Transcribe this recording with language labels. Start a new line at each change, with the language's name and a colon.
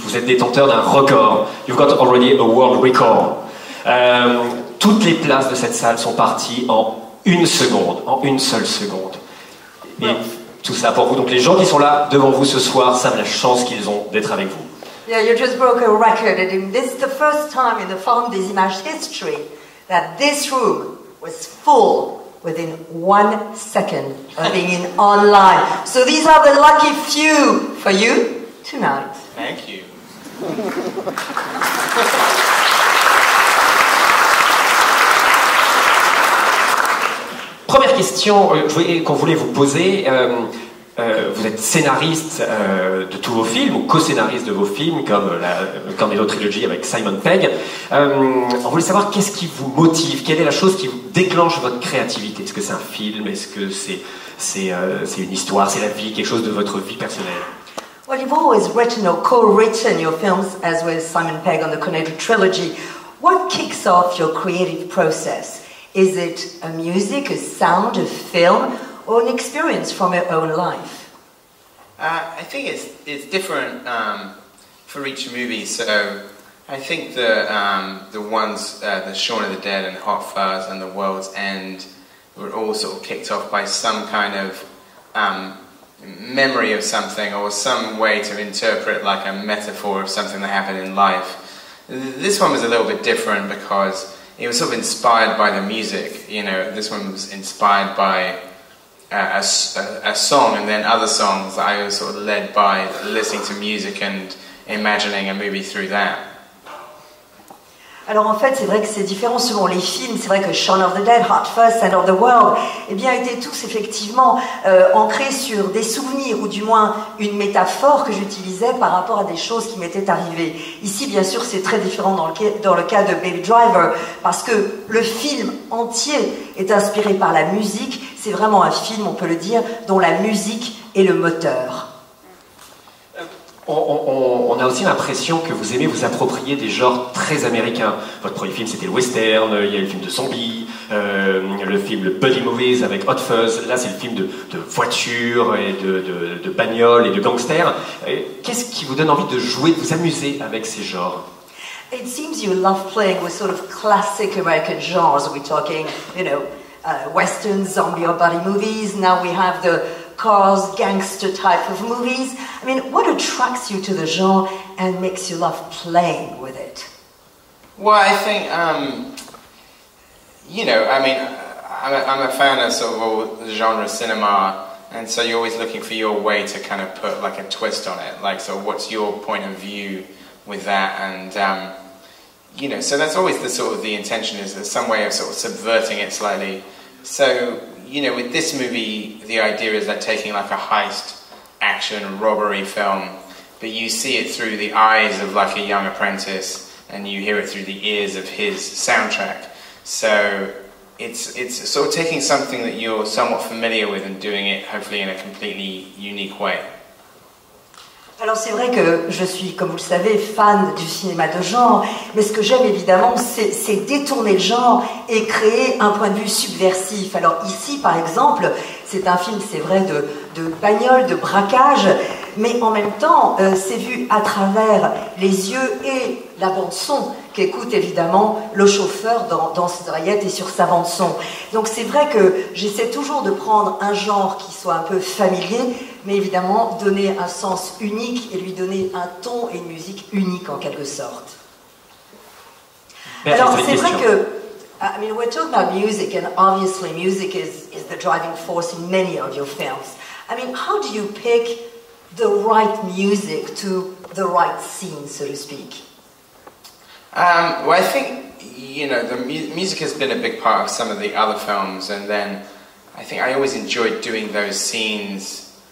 French: Vous êtes détenteur d'un record.
English: You've got already a world record.
French: Toutes les places de cette salle sont parties en une seconde, en une seule seconde. Et tout ça pour vous. Donc les gens qui sont là devant vous ce soir savent la chance qu'ils ont d'être avec vous.
English: Yeah, you just broke a record. And this is the first time in the forum des images history that this room was full within 1 second of being in online. So these are the lucky few for you tonight. Thank you.
French: Première question qu'on voulait vous poser. Vous êtes scénariste de tous vos films, ou co-scénariste de vos films, comme la Cornetto Trilogy avec Simon Pegg. On voulait savoir qu'est-ce qui vous motive, quelle est la chose qui vous déclenche votre créativité. Est-ce que c'est un film, est-ce que c'est une histoire, c'est la vie, quelque chose de votre vie personnelle?
English: Well, you've always written or co-written your films, as with Simon Pegg on the Cornetto Trilogy. What kicks off your creative process? Is it a music, a sound, a film? Own experience from your own life? I think it's different for each movie. So I think the ones, the Shaun of the Dead and Hot Fuzz and The World's End, were all sort of kicked off by some kind of memory of something, or some way to interpret like a metaphor of something that happened in life. This one was a little bit different because it was sort of inspired by the music. You know, this one was inspired by a song, and then other songs that I was sort of led by listening to music and imagining a movie through that.
French: Alors en fait, c'est vrai que c'est différent selon les films. C'est vrai que Shaun of the Dead, Hot Fuzz, End of the World, eh bien, étaient tous effectivement ancrés sur des souvenirs, ou du moins une métaphore que j'utilisais par rapport à des choses qui m'étaient arrivées. Ici, bien sûr, c'est très différent dans le cas de Baby Driver, parce que le film entier est inspiré par la musique. C'est vraiment un film, on peut le dire, dont la musique est le moteur. On a aussi l'impression que vous aimez vous approprier des genres très américains. Votre premier film, c'était le western, il y a le film de zombies, le film de buddy movies avec Hot Fuzz. Là, c'est le film de voitures et de bagnoles et de gangsters. Qu'est-ce qui vous donne envie de jouer, de vous amuser avec ces genres?
English: It seems you love playing with sort of classic American genres. We're talking, you know, western, zombie or buddy movies. Now we have the cars, gangster type of movies. I mean, what attracts you to the genre and makes you love playing with it? Well, I think, you know, I mean, I'm a fan of sort of all genre cinema, and so you're always looking for your way to kind of put like a twist on it. Like, so what's your point of view with that? And, you know, so that's always the sort of the intention, is there's some way of sort of subverting it slightly. So, you know, with this movie, the idea is that taking like a heist action robbery film, but you see it through the eyes of like a young apprentice, and you hear it through the ears of his soundtrack. So it's sort of taking something that you're somewhat familiar with and doing it hopefully in a completely unique way.
French: Alors c'est vrai que je suis, comme vous le savez, fan du cinéma de genre, mais ce que j'aime évidemment, c'est détourner le genre et créer un point de vue subversif. Alors ici, par exemple, c'est un film, c'est vrai, de bagnole, de braquage, mais en même temps, c'est vu à travers les yeux et la bande-son qu'écoute évidemment le chauffeur dans ses oreillettes et sur sa bande-son. Donc c'est vrai que j'essaie toujours de prendre un genre qui soit un peu familier, mais évidemment donner un sens unique et lui donner un ton et une musique unique en quelque sorte. Merci. Alors c'est vrai que,
English: I mean, we're talking about music, and obviously music is the driving force in many of your films. I mean, how do you pick the right music to the right scene, so to speak? Well, I think, you know, the music has been a big part of some of the other films, and then I think I always enjoyed doing those scenes.